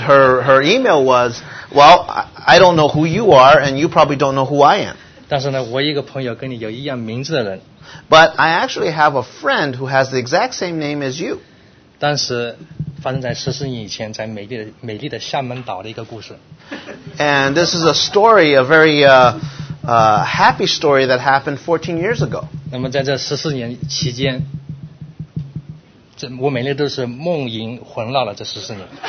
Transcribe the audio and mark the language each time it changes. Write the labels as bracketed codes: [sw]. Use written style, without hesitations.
[en] her email was, well, I don't know who you are, and you probably don't know who I am. [zh] 但是呢，我有一个朋友跟你有一样名字的人。But [en] I actually have a friend who has the exact same name as you. [zh] 当时发生在14年以前，在美丽的厦门岛的一个故事。And [en] this is a story, a very happy story that happened 14 years ago. [zh] 那么在这14年期间，我每天都是梦萦魂绕了这14年。